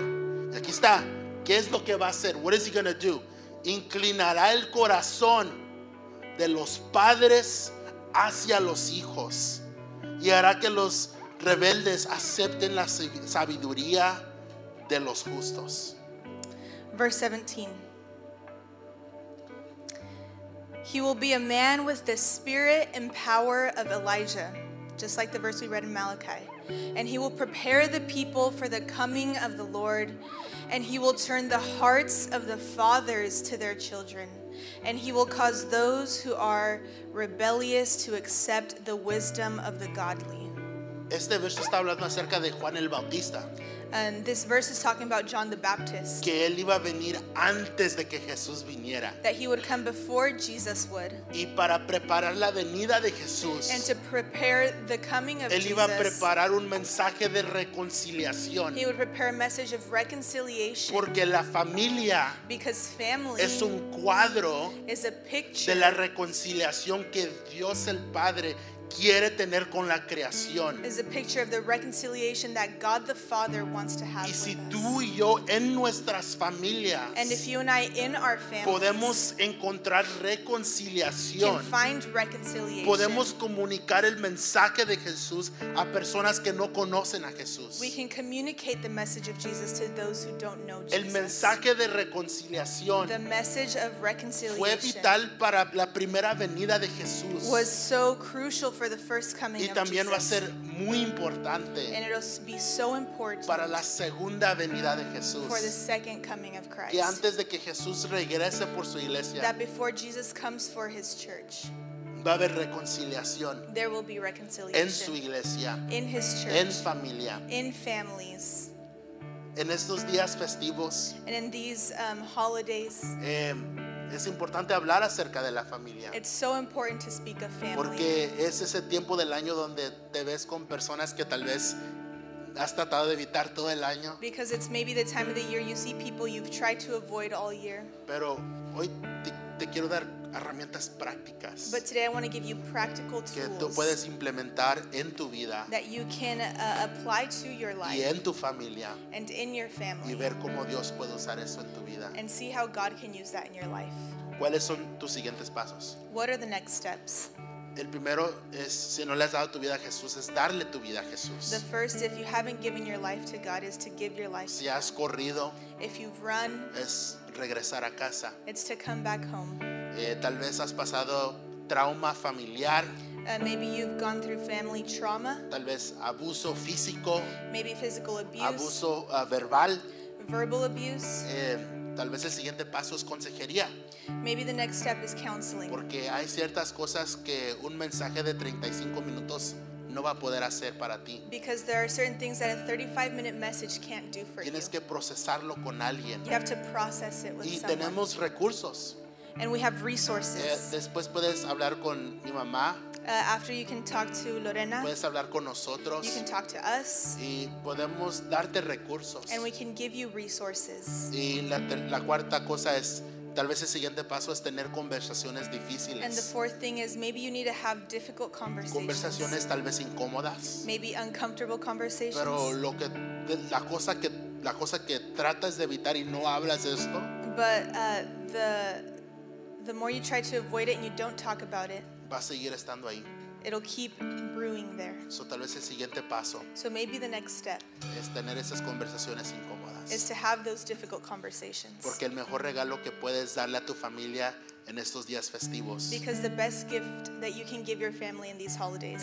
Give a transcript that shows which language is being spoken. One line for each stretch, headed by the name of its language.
Spanish: Y aquí está. ¿Qué es lo que va a hacer?
English: What is he going to do?
Spanish: Inclinará el corazón de los padres hacia los hijos, y hará que los rebeldes acepten la sabiduría de los justos.
English: Verse 17. He will be a man with the spirit and power of Elijah, just like the verse we read in Malachi. And he will prepare the people for the coming of the Lord, and he will turn the hearts of the fathers to their children. And he will cause those who are rebellious to accept the wisdom of the godly.
Spanish: Este verso está hablando acerca de Juan el Bautista.
English: And this verse is talking about John the Baptist.
Spanish: Que él iba a venir antes de que Jesús viniera.
English: That he would come before Jesus would.
Spanish: Y para preparar la venida de Jesús.
English: And to prepare the coming of Jesus.
Spanish: Él iba a preparar un mensaje de reconciliación.
English: He would prepare a message of reconciliation.
Spanish: Porque la familia.
English: Because family.
Spanish: Es un cuadro.
English: Is a picture.
Spanish: De la reconciliación que Dios el Padre quiere tener con la creación.
English: Is a picture of the reconciliation that God the Father wants to have.
Spanish: Y si
English: with
Spanish: tú
English: us.
Spanish: Y yo en nuestras familias,
English: and if you and I in our families,
Spanish: podemos encontrar reconciliación.
English: Can find reconciliation.
Spanish: Podemos comunicar el mensaje de Jesús a personas que no conocen a Jesús.
English: We can communicate the message of Jesus to those who don't know Jesus.
Spanish: El mensaje de reconciliación,
English: the message of reconciliation,
Spanish: fue vital para la primera venida de Jesús.
English: Was so crucial for the first coming
Spanish: y también
English: of Jesus.
Spanish: Va a ser muy importante,
English: and it'll be so important
Spanish: para la segunda venida de Jesús,
English: for the second coming of Christ.
Spanish: Que antes de que Jesús regrese por su iglesia,
English: that before Jesus comes for his church,
Spanish: va a haber reconciliación,
English: there will be reconciliation
Spanish: en su iglesia,
English: in his church,
Spanish: en familia,
English: in families.
Spanish: En estos días festivos,
English: and in these holidays,
Spanish: es importante hablar acerca de la familia.
English: It's so important to speak of family.
Spanish: Porque es ese tiempo del año donde te ves con personas que tal vez has tratado de evitar todo el año.
English: Because it's maybe the time of the year you see people you've tried to avoid all year.
Spanish: Pero hoy te quiero dar herramientas prácticas.
English: But today I want to give you practical tools
Spanish: que tú puedes implementar en tu vida.
English: That you can apply to your life.
Spanish: Y en tu familia.
English: And in your family.
Spanish: Y ver cómo Dios puede usar eso en tu vida.
English: And see how God can use that in your life.
Spanish: ¿Cuáles son tus siguientes pasos?
English: What are the next steps?
Spanish: El primero es, si no le has dado tu vida a Jesús, es darle tu vida a Jesús.
English: The first, if you haven't given your life to God, is to give your life.
Spanish: Si has corrido,
English: if you've run,
Spanish: es regresar a casa.
English: It's to come back home.
Spanish: Tal vez has pasado trauma familiar.
English: Maybe you've gone through family trauma.
Spanish: Tal vez abuso físico.
English: Maybe physical abuse.
Spanish: Abuso verbal.
English: Verbal abuse.
Spanish: Tal vez el siguiente paso es consejería.
English: Maybe the next step is counseling.
Spanish: Porque hay ciertas cosas que un mensaje de 35 minutos no va a poder hacer para ti.
English: Because there are certain things that a 35-minute message can't do for you.
Spanish: Tienes que procesarlo con alguien.
English: You have to process it with someone.
Spanish: Y tenemos recursos.
English: And we have resources.
Spanish: Después puedes hablar con mi mamá.
English: After you can talk to Lorena,
Spanish: puedes hablar con nosotros.
English: You can talk to us.
Spanish: Y podemos darte recursos.
English: And we can give you resources.
Spanish: Y la cuarta cosa es, tal vez el siguiente paso es tener conversaciones difíciles.
English: And the fourth thing is, maybe you need to have difficult conversations.
Spanish: Conversaciones tal vez incómodas.
English: Maybe uncomfortable conversations.
Spanish: Pero la cosa que tratas de evitar y no hablas de esto.
English: But the more you try to avoid it and you don't talk about it,
Spanish: va a seguir estando ahí.
English: It'll keep brewing there.
Spanish: So tal vez el siguiente paso.
English: So maybe the next step
Spanish: es tener esas conversaciones incómodas.
English: Is to have those difficult conversations.
Spanish: Porque el mejor regalo que puedes darle a tu familia en estos días festivos.
English: Because the best gift that you can give your family in these holidays